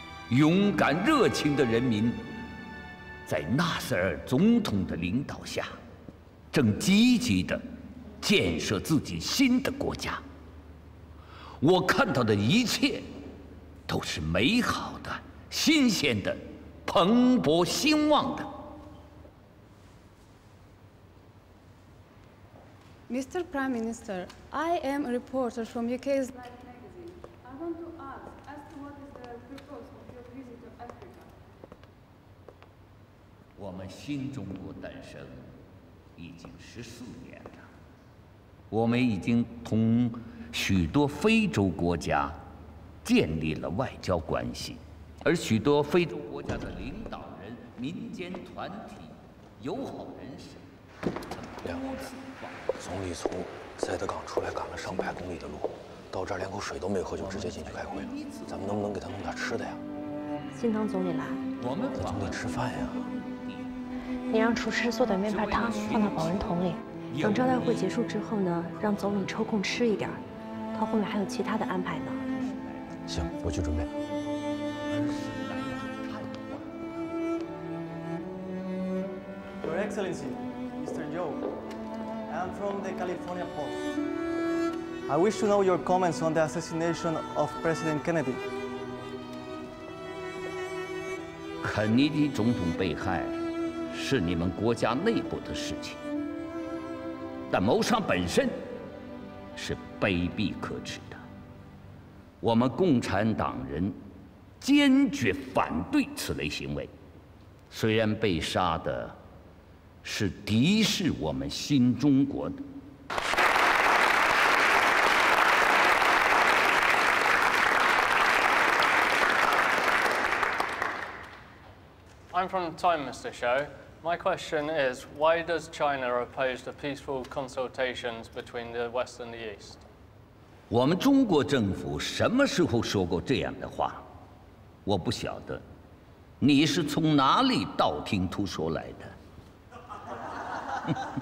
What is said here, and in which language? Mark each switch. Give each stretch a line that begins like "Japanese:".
Chinese: 勇敢热情的人民在纳赛尔总统的领导下，正积极地建设自己新的国家。我看到的一切都是美好的、新鲜的、蓬勃兴旺的。
English: Mr. Prime Minister, I am a reporter from UK's Life magazine. I want to ask as to what is the purpose of your visit to Africa.
Chinese: 我们新中国诞生已经14年了，我们已经同许多非洲国家建立了外交关系，而许多非洲国家的领导人、民间团体、友好人士，两位的总理从塞德港出来赶了上百公里的路，到这儿连口水都没喝就直接进去开会了，咱们能不能给他弄点吃的呀？新藤总理来，我们总得吃饭呀。你让厨师做点面派汤放到保温桶里，等招待会结束之后呢，让总理抽空吃一点，他后面还有其他的安排呢。行，我去准备。
English: Your Excellency, Mr. Zhou, I am from the California Post. I wish to know your comments on the assassination of President Kennedy.
Chinese: 肯尼迪总统被害是你们国家内部的事情，但谋杀本身是卑鄙可耻的，我们共产党人坚决反对此类行为。虽然被杀的是敌视我们新中国的，
English: I'm from Time, Mr. Show. My question is, why does China oppose the peaceful consultations between the West and the East?
Chinese: 我们中国政府什么时候说过这样的话？我不晓得，你是从哪里道听途说来的？